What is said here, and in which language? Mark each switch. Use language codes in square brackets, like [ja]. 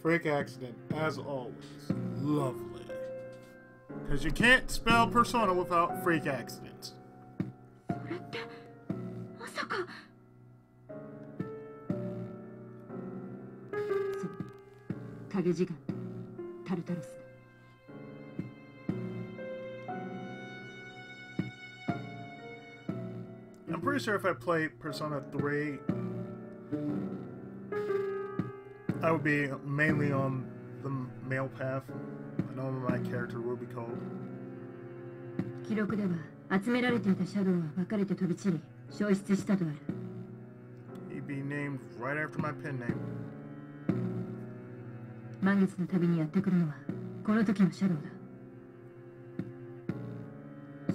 [en] Freak accident, as always. Lovely. Because you can't spell persona without freak accident. [ja] それって、まさか… そう、影時間とタルタロスだ。 [en] I'm pretty sure if I play Persona 3, I would be mainly on the male path. I know what my character will be called. [ja] 記録では、集められていたシャドウは分かれて飛び散り、消失したとある。 [en] He'd be named right after my pen name. [ja] 満月の旅にやってくるのは、この時のシャドウだ。